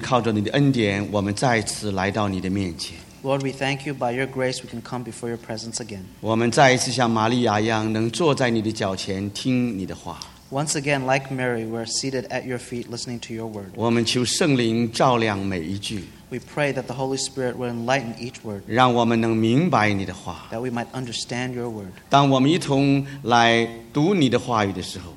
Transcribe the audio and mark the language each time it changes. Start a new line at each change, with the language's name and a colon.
Chinese: 主，我们感谢你，靠着你的恩典，我们再次来到你的面前。
English: Lord, we thank you by your grace we can come before your presence again.
Chinese: 我们再一次像玛利亚一样，能坐在你的脚前听你的话。
English: Once again, like Mary, we're seated at your feet listening to your word.
Chinese: 我们求圣灵照亮每一句。
English: We pray that the Holy Spirit will enlighten each word.
Chinese: 让我们能明白你的话。
English: That we might understand your word.
Chinese: 当我们一同来读你的话语的时候。